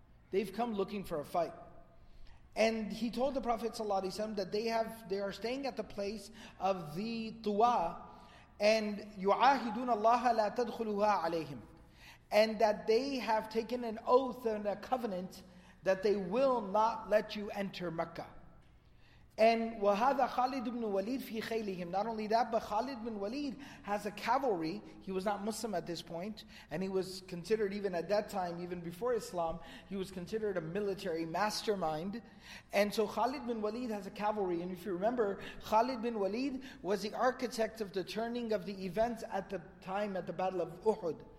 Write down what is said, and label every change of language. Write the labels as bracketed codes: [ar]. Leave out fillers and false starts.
[en] They've come looking for a fight. And he told the Prophet ﷺ that they are staying at the place of the Tuwa, and [ar] يُعَاهِدُونَ اللَّهَ لَا تَدْخُلُهَا عَلَيْهِمْ. [en] And that they have taken an oath and a covenant that they will not let you enter Mecca. And [ar] وَهَذَا خَالِدْ بْنُ وَلِيدْ فِي خَيْلِهِمْ. [en] Not only that, but Khalid bin Walid has a cavalry. He was not Muslim at this point, and he was considered, even at that time, even before Islam, he was considered a military mastermind. And so Khalid bin Walid has a cavalry. And if you remember, Khalid bin Walid was the architect of the turning of the events at the time, at the Battle of Uhud.